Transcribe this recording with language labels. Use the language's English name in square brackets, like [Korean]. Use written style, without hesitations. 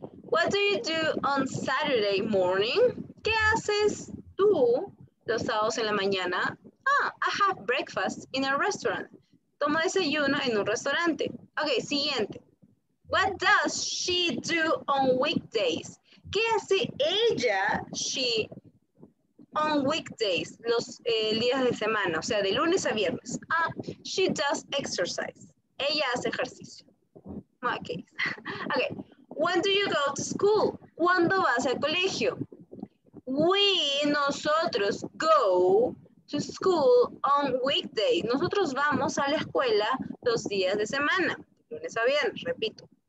[English] What do you do on Saturday morning? [Spanish] ¿Qué haces tú los sábados en la mañana? [English] Ah, I have breakfast in a restaurant. [Spanish] Tomo desayuno en un restaurante. Ok, siguiente. [English] What does she do on weekdays? [Spanish] ¿Qué hace ella, she, [English] on weekdays, [Spanish] los días de semana, o sea, de lunes a viernes? [English] Ah, she does exercise. [Spanish] Ella hace ejercicio. [English] Okay. When do you go to school? [Spanish] ¿Cuándo vas al colegio? [English] We, [Spanish] nosotros, [English] go to school on weekdays. [Spanish] Nosotros vamos a la escuela los días de semana, lunes a viernes, repito.